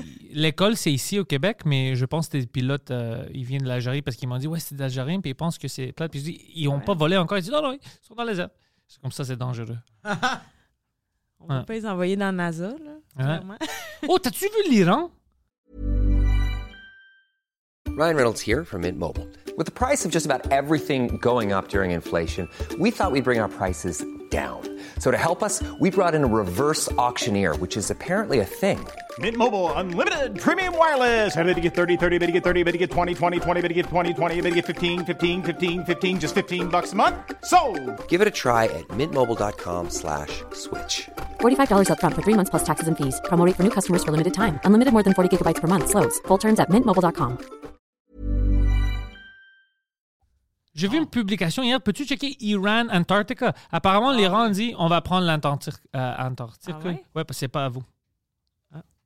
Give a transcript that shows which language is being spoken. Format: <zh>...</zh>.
<fr>L'école, c'est ici au Québec, mais je pense que des pilotes, ils viennent de l'Algérie parce qu'ils m'ont dit, ouais, c'est d'Algérie, puis ils pensent que c'est plate. Puis je dis, ils n'ont pas volé encore. Ils disent, non, ils sont dans les airs. C'est comme ça, c'est dangereux. On ne peut pas les envoyer dans NASA, là. Ouais. Oh, t'as-tu vu l'Iran?</fr> <en>Ryan Reynolds here from Mint Mobile. With the price of just about everything going up during inflation, we thought we'd bring our prices down. So to help us, we brought in a reverse auctioneer, which is apparently a thing. Mint Mobile Unlimited Premium Wireless. How to get 30, 30, how to get 30, how to get 20, 20, 20, how to get 20, 20, how to get 15, 15, 15, 15, just $15 a month? Sold! Give it a try at mintmobile.com/switch. $45 up front for 3 months plus taxes and fees. Promo rate for new customers for limited time. Unlimited more than 40 gigabytes per month. Slows full terms at mintmobile.com.</en> <fr>J'ai vu une publication hier. Peux-tu checker Iran Antarctica? Apparemment, l'Iran dit on va prendre l'Antarctique. Ah ouais? Ouais, parce que c'est pas à vous. Ah.</fr>